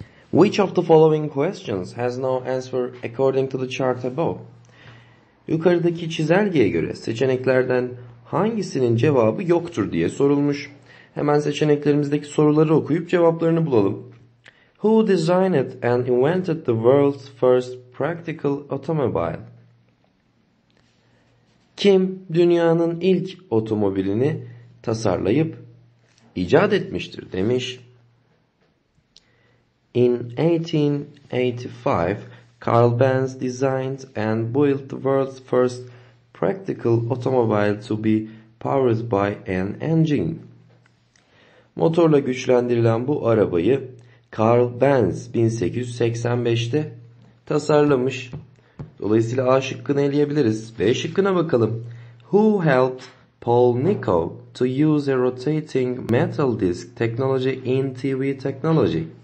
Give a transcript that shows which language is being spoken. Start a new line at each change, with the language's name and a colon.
English: Which of the following questions has no answer according to the chart above?
Turkish: Yukarıdaki çizelgeye göre seçeneklerden hangisinin cevabı yoktur diye sorulmuş. Hemen seçeneklerimizdeki soruları okuyup cevaplarını bulalım.
English: Who designed and invented the world's first practical automobile?
Turkish: Kim dünyanın ilk otomobilini tasarlayıp icat etmiştir demiş.
English: In 1885, Carl Benz designed and built the world's first practical automobile to be powered by an engine.
Turkish: Motorla güçlendirilen bu arabayı Carl Benz 1885'te tasarlamış. Dolayısıyla A şıkkını eleyebiliriz. B şıkkına bakalım.
English: Who helped Paul Nikow to use a rotating metal disc technology in TV technology?